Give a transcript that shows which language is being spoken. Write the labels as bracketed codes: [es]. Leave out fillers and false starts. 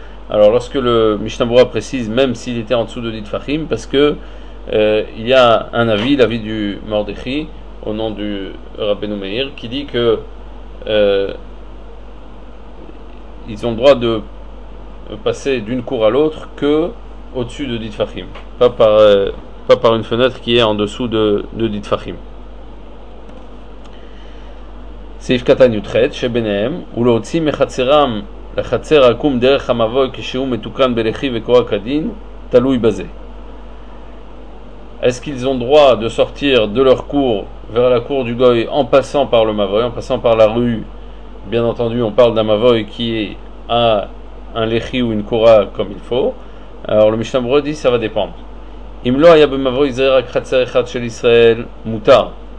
[fr] Alors lorsque le Mishnah Brura précise, même s'il était en dessous de Ditfachim, parce que il y a un avis, l'avis du Mordechi, au nom du Rabbeinu Meir, qui dit que ils ont le droit de passer d'une cour à l'autre que au-dessus de Ditfachim, pas par une fenêtre qui est en dessous de Ditfachim. [he] סעיף קטן י"ח שביניהם ולהוציא מחצרם לחצר עקום דרך המבוי כשהוא מתוקן בלכי וקורא כדין תלוי בזה. [fr] Est-ce qu'ils ont droit de sortir de leur cour vers la cour du goy en passant par le mavoy, en passant par la rue? Bien entendu, on parle d'un mavoy qui a un lechi ou une kora comme il faut. Alors le Mishnah Brura dit ça va dépendre. [he] Im lo haya b'mavoy zeh rak chatzer echad shel Israel mutar.